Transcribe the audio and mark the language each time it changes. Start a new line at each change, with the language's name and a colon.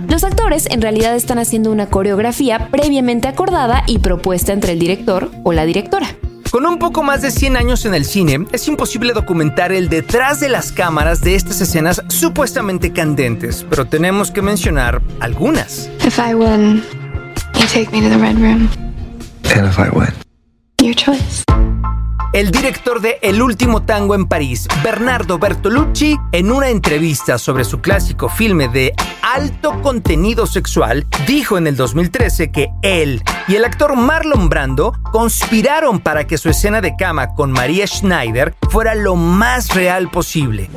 Spanish: Los actores en realidad están haciendo una coreografía previamente acordada y propuesta entre el director o la directora. Con un poco más de 100 años en el cine, es imposible documentar el detrás de las cámaras de estas escenas supuestamente candentes, pero tenemos que mencionar algunas.
English: If I win, you take me to the red room. And if I win, your choice.
Spanish: El director de El Último Tango en París, Bernardo Bertolucci, en una entrevista sobre su clásico filme de alto contenido sexual, dijo en el 2013 que él y el actor Marlon Brando conspiraron para que su escena de cama con Maria Schneider fuera lo más real posible.